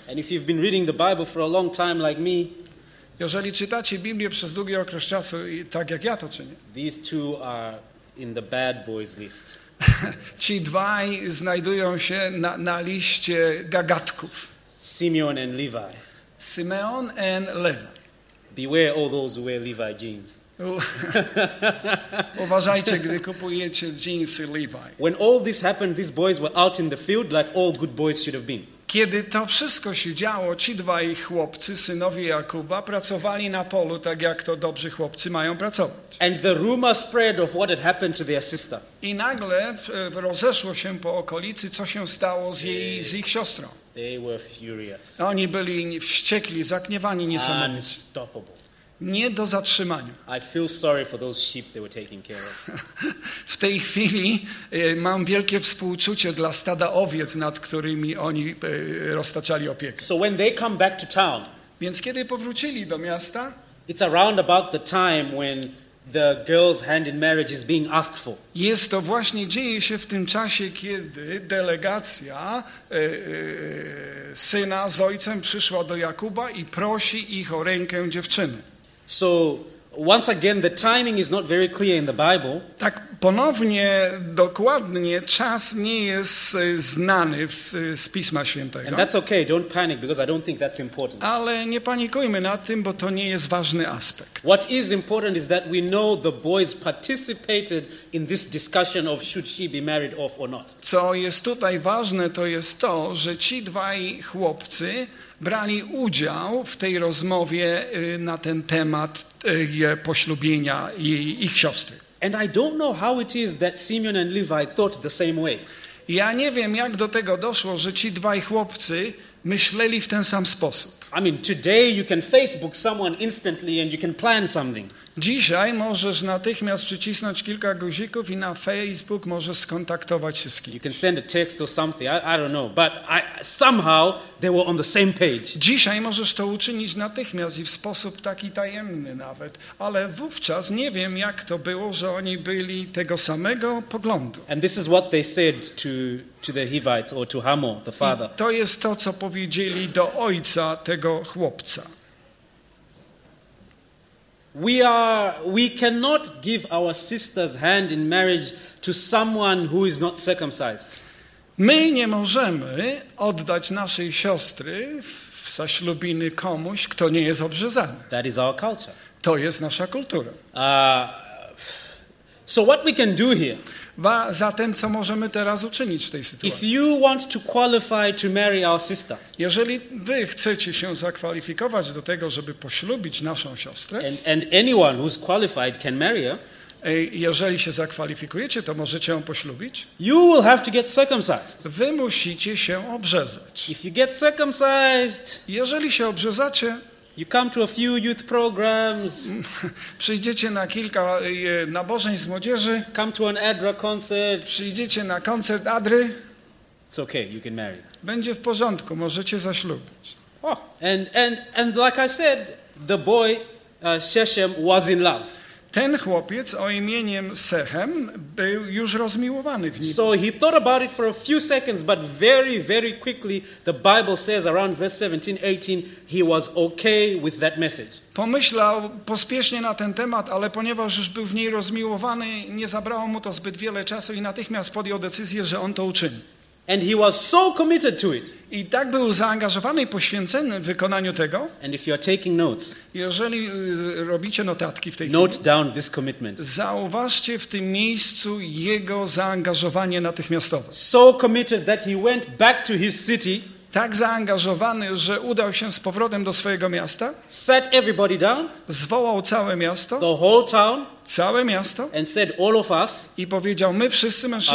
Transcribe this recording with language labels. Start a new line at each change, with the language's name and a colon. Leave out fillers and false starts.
English: And if you've been reading the Bible for a long time like me,
Polish: jeżeli czytacie Biblię przez długi okres czasu, tak jak ja to czynię,
English: these two are in the bad boys list.
Polish: Ci dwaj znajdują się na liście gagatków.
English: Simeon and Levi.
Polish: Simeon and Levi.
English: Beware all those who wear Levi jeans.
Polish: Uważajcie, gdy kupujecie jeansy Levi.
English: When all this happened, these boys were out in the field like all good boys should have been.
Polish: Kiedy to wszystko się działo, ci dwaj chłopcy, synowie Jakuba, pracowali na polu, tak jak to dobrzy chłopcy mają pracować.
English: And the rumor spread of what had happened to their sister.
Polish: I nagle rozeszło się po okolicy, co się stało z ich siostrą.
English: They were furious.
Polish: Oni byli wściekli, zagniewani niesamowicie.
English: Unstoppable.
Polish: Nie do zatrzymania.
English: I feel sorry for those sheep they were taking care of.
Polish: W tej chwili mam wielkie współczucie dla stada owiec, nad którymi oni roztaczali opiekę.
English: So when they come back to town,
Polish: więc kiedy powrócili do miasta,
English: it's around about the time when the girl's hand in marriage is being asked for.
Polish: Jest to właśnie dzieje się w tym czasie, kiedy delegacja syna z ojcem przyszła do Jakuba i prosi ich o rękę dziewczyny.
English: So once again, the timing is not very clear in the Bible.
Polish: Tak ponownie, dokładnie czas nie jest znany z Pisma Świętego.
English: And that's okay. Don't panic because I don't think that's important.
Polish: Ale nie panikujmy nad tym, bo to nie jest ważny aspekt.
English: What is important is that we know the boys participated in this discussion of should she be married off or not.
Polish: Co jest tutaj ważne, to jest to, że ci dwaj chłopcy brali udział w tej rozmowie na ten temat poślubienia jej, ich siostry.
English: And I don't know how it is that Simeon and Levi thought the same way.
Polish: Ja nie wiem, jak do tego doszło, że ci dwaj chłopcy myśleli w ten sam sposób.
English: I mean, today you can Facebook someone instantly and you can plan something.
Polish: Dzisiaj możesz natychmiast przycisnąć kilka guzików i na Facebook możesz skontaktować się z kimś.
English: You can send a text or something. I don't know, but I somehow they were on the same page.
Polish: Dzisiaj możesz to uczynić natychmiast i w sposób taki tajemny nawet, ale wówczas nie wiem, jak to było, że oni byli tego samego poglądu.
English: And this is what they said to the Hivites or to Hamor, the father.
Polish: I to jest to, co powiedzieli do ojca tego chłopca.
English: We cannot give our sister's hand in marriage to someone who is not circumcised.
Polish: My nie możemy oddać naszej siostry w zaślubiny komuś, kto nie jest obrzezany.
English: That is our culture.
Polish: To jest nasza kultura.
English: So what we can do here?
Polish: Zatem co możemy teraz uczynić w tej sytuacji?
English: If you want to qualify to marry our sister,
Polish: jeżeli wy chcecie się zakwalifikować do tego, żeby poślubić naszą siostrę,
English: and anyone who's qualified can marry her,
Polish: jeżeli się zakwalifikujecie, to możecie ją poślubić.
English: You will have to get circumcised.
Polish: Wy musicie się obrzezać.
English: If you get circumcised,
Polish: jeżeli się obrzezacie,
English: you come to a few youth programs.
Polish: Przyjdziecie na kilka nabożeń z młodzieży.
English: Come to an Adra concert.
Polish: Przyjdziecie na koncert Adry.
English: It's okay, you can marry.
Polish: Będzie w porządku, możecie zaślubić.
English: Oh, and like I said, the boy Shechem was in love.
Polish: Ten chłopiec o imieniem Sechem był już rozmiłowany w nim.
English: So he thought about it for a few seconds, but very, very quickly the Bible says around verse 17, 18, he was okay with that message.
Polish: Pomyślał pospiesznie na ten temat, ale ponieważ już był w niej rozmiłowany, nie zabrało mu to zbyt wiele czasu i natychmiast podjął decyzję, że on to uczyni.
English: And he was so committed to it.
Polish: I tak był zaangażowany i poświęcony w wykonaniu tego.
English: And if you are taking notes,
Polish: jeżeli robicie notatki w tej
English: note
Polish: chwili,
English: down this commitment.
Polish: Zauważcie w tym miejscu jego zaangażowanie natychmiastowe.
English: So committed that he went back to his city.
Polish: Tak zaangażowany, że udał się z powrotem do swojego miasta.
English: Set everybody down.
Polish: Zwołał całe miasto.
English: The whole town.
Polish: Całe miasto.
English: And said all of us.
Polish: I powiedział: my wszyscy mężczyźni